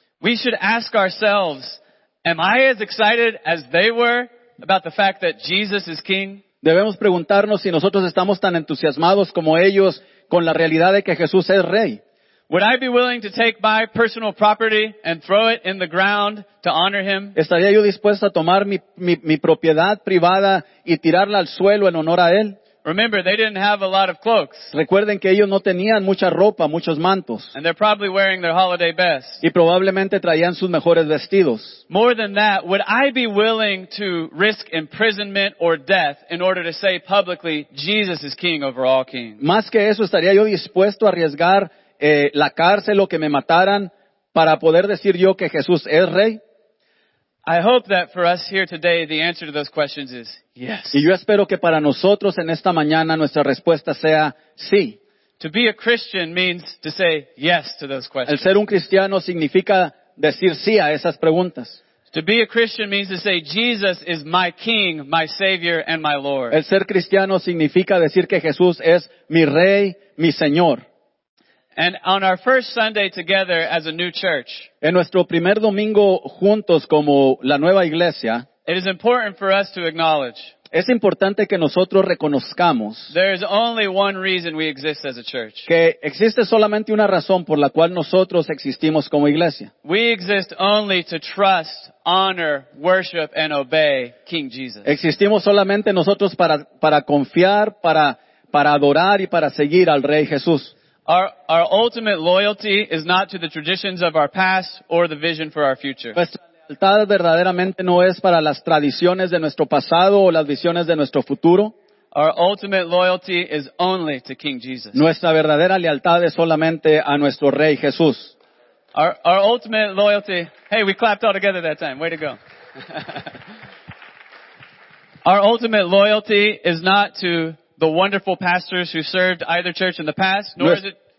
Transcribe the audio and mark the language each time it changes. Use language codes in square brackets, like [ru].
[en] We should ask ourselves, am I as excited as they were about the fact that Jesus is king? [es] Debemos preguntarnos si nosotros estamos tan entusiasmados como ellos con la realidad de que Jesús es rey. [en] Would I be willing to take my personal property and throw it in the ground to honor him? [es] ¿Estaría yo dispuesto a tomar mi propiedad privada y tirarla al suelo en honor a él? [en] Remember, they didn't have a lot of cloaks. [es] Recuerden que ellos no tenían mucha ropa, muchos mantos. [en] And they're probably wearing their holiday best. [es] Y probablemente traían sus mejores vestidos. [en] More than that, would I be willing to risk imprisonment or death in order to say publicly, Jesus is king over all kings? [es] Más que eso, ¿estaría yo dispuesto a arriesgar la cárcel o que me mataran para poder decir yo que Jesús es rey? [en] I hope that for us here today, the answer to those questions is yes. [es] Y yo espero que para nosotros en esta mañana nuestra respuesta sea sí. [en] To be a Christian means to say yes to those questions. [es] El ser un cristiano significa decir sí a esas preguntas. [en] To be a Christian means to say Jesus is my King, my Savior, and my Lord. [es] El ser cristiano significa decir que Jesús es mi Rey, mi Señor. [en] And on our first Sunday together as a new church, [es] en nuestro primer domingo juntos como la nueva iglesia, [en] it is important for us to acknowledge, [es] Es importante que nosotros reconozcamos [en] there is only one reason we exist as a church. [es] Que existe solamente una razón por la cual nosotros existimos como iglesia. [en] We exist only to trust, honor, worship, and obey King Jesus. [es] Existimos solamente nosotros para confiar, para adorar y para seguir al Rey Jesús. [en] Our ultimate loyalty is not to the traditions of our past or the vision for our future. [es] Lealtad verdaderamente no es para las tradiciones de nuestro pasado o las visiones de nuestro futuro. [en] Our ultimate loyalty is only to King Jesus. [es] Nuestra verdadera lealtad es solamente a nuestro Rey Jesús. [en] Our ultimate loyalty. Hey, we clapped all together that time. Way to go. Our ultimate loyalty is not to the wonderful pastors who served either church in the past, nor is it.